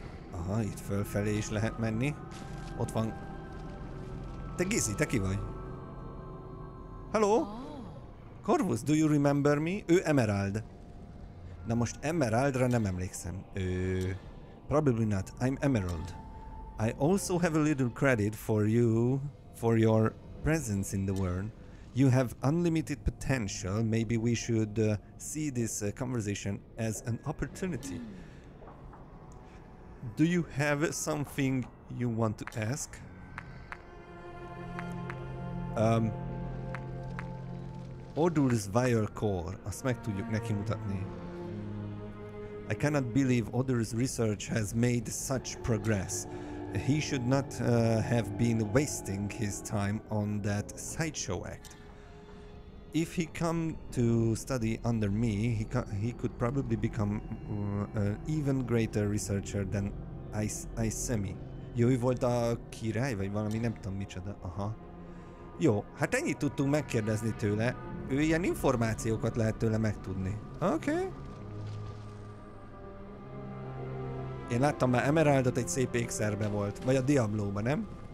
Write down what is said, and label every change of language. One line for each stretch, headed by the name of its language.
Hungarian: Aha, itt fölfelé is lehet menni. Ott van... Te Gizi, te ki vagy? Hello?
English: Corvus, do you remember me? Ő Emerald.
Hungarian: Na most Emeraldra nem emlékszem.
English: Probably not. I'm Emerald. I also have a little credit for you, for your presence in the world. You have unlimited potential. Maybe we should see this conversation as an opportunity. Do you have something you want to ask? Odur's Vire Core.
Hungarian: Azt meg tudjuk neki mutatni.
English: I cannot believe Odur's research has made such progress. He should not have been wasting his time on that sideshow act. If he come to study under me, he could probably become an even greater researcher than Isemi.
Hungarian: Jó, ő volt a király, vagy valami, nem tudom micsoda. Aha. Jó, hát ennyit tudtunk megkérdezni tőle. Ő ilyen információkat lehet tőle megtudni. Okay. Én láttam már Emeraldot, egy szép ékszerbe volt. Vagy a Diablóban, nem?